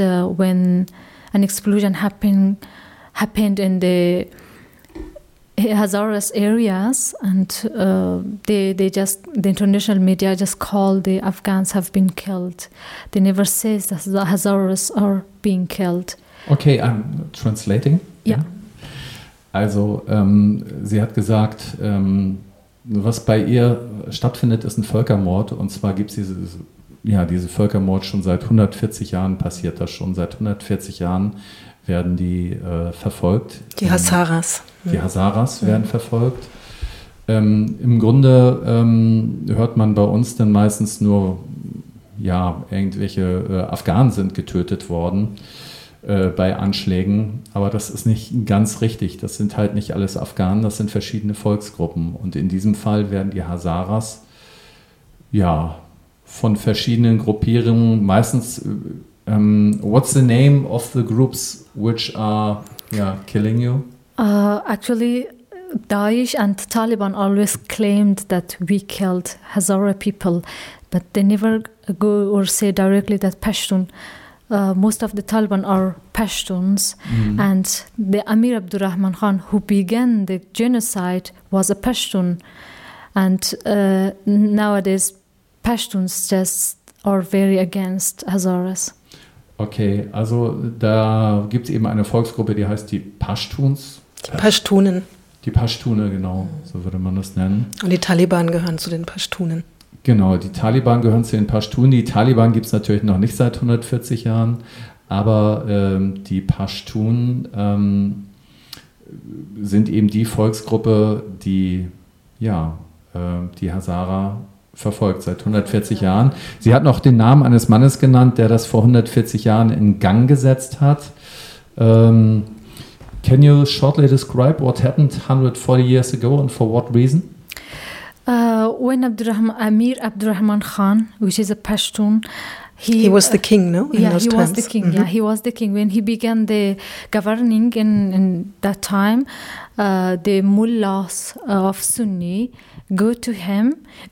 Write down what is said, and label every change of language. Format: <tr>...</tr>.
<en>And when an explosion happened in the Hazaras areas, and the international media just call the Afghans have been killed. They never say that the Hazaras are being killed. Okay, I'm translating. Yeah.</en> <de>Also, sie hat gesagt, was bei ihr stattfindet, ist ein Völkermord. Und zwar gibt es diese Völkermord schon seit 140 Jahren, passiert das schon. Seit 140 Jahren werden die verfolgt. Die Hazaras. Die Hazaras werden verfolgt. Im Grunde hört man bei uns dann meistens nur, ja, irgendwelche Afghanen sind getötet worden bei Anschlägen. Aber das ist nicht ganz richtig. Das sind halt nicht alles Afghanen, das sind verschiedene Volksgruppen. Und in diesem Fall werden die Hazaras ja von verschiedenen Gruppierungen meistens.</de> <en>What's the name of the groups which are killing you? Actually, Daesh and Taliban always claimed that we killed Hazara people, but they never go or say directly that Pashtun. Most of the Taliban are Pashtuns, and the Amir Abdurrahman Khan, who began the genocide, was a Pashtun. And nowadays, Pashtuns just are very against Hazaras.</en> <de>Okay, also da gibt es eben eine Volksgruppe, die heißt die Pashtuns. Die Pashtunen. Die Pashtune, genau, so würde man das nennen. Und die Taliban gehören zu den Pashtunen. Genau, die Taliban gehören zu den Pashtunen. Die Taliban gibt es natürlich noch nicht seit 140 Jahren, aber die Pashtunen sind eben die Volksgruppe, die ja die Hazara verfolgt seit 140 Jahren. Sie hat noch den Namen eines Mannes genannt, der das vor 140 Jahren in Gang gesetzt hat.</de> <en>Can you shortly describe what happened 140 years ago and for what reason? When Amir Abdurrahman Khan, which is a Pashtun, he was the king, no? He was the king. Mm-hmm. Yeah, he was the king. When he began the governing in that time, the mullahs of Sunni go to him.</en>